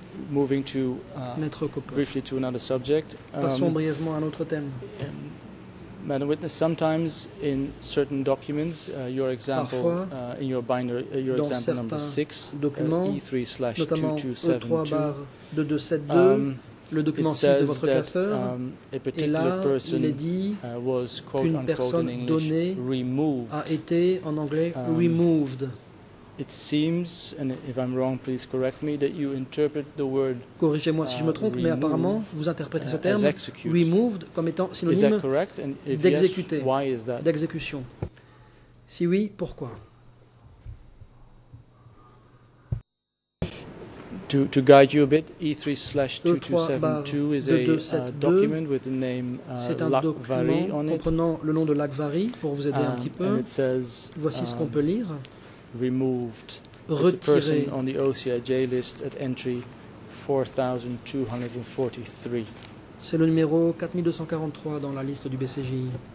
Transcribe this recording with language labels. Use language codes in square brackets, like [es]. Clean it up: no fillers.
[en] Moving to briefly to another subject. [fr] Passons brièvement à un autre thème. [en] Madam Witness, sometimes in certain documents, your example, in your binder, your example number 6, E3/2272, [fr] le document 6 de votre classeur, et là, il est dit [en] was, quote, [fr] qu'une personne [en] unquote, [fr] donnée removed. A été, en anglais, removed. [en] It seems, and if I'm wrong, please correct me, that you interpret the word [fr] corrigez-moi si je me trompe, mais apparemment, vous interprétez ce terme, removed, comme étant synonyme d'exécuter, [en] yes, [fr] d'exécution. Si oui, pourquoi? [en] To guide you a bit, E3/2272 is a document with the name Lakvari on it. [fr] Comprenant le nom de Lakvari, pour vous aider un petit peu, [en] and it says, [fr] voici ce qu'on peut lire. [en] Removed. [fr] Retiré. [en] It's a person on the OCIJ list at entry 4243. [fr] C'est le numéro 4243 dans la liste du BCJI.